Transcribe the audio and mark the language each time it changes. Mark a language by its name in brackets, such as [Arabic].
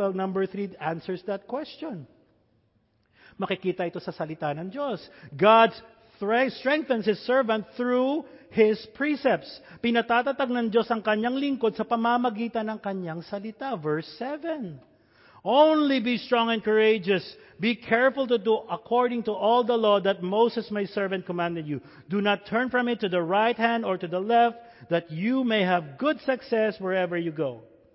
[English] Well, number three answers that question. [Filipino] Makikita ito sa salita ng Diyos. [English] God's strengthens His servant through His precepts. [Filipino] Pinatatatag ng Diyos ang kanyang lingkod sa pamamagitan ng kanyang salita. [English] Verse 7. Only be strong and courageous. Be careful to do according to all the law that Moses, my servant, commanded you. Do not turn from it to the right hand or to the left, that you may have good success wherever you go.